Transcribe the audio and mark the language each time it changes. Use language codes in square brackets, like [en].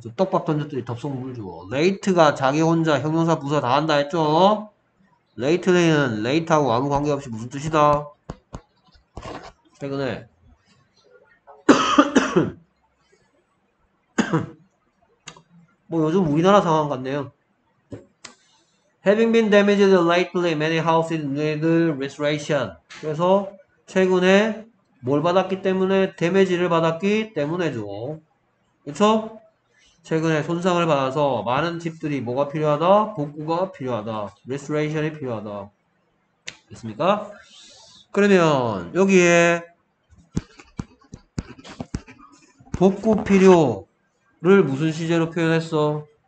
[ko] 저 떡밥 던졌더니 덥석 물 주어. late가 자기 혼자 형용사 부사 다 한다 했죠? lately는 late하고 아무 관계없이 무슨 뜻이다? 최근에 뭐 요즘 우리나라 상황 같네요. [en] Having been damaged lately, many houses need restoration. [ko] 그래서 최근에 뭘 받았기 때문에 데미지를 받았기 때문에죠. 그렇죠? 최근에 손상을 받아서 많은 집들이 뭐가 필요하다? 복구가 필요하다. Restoration이 필요하다. 됐습니까? 그러면 여기에 복구 필요를 무슨 시제로 표현했어?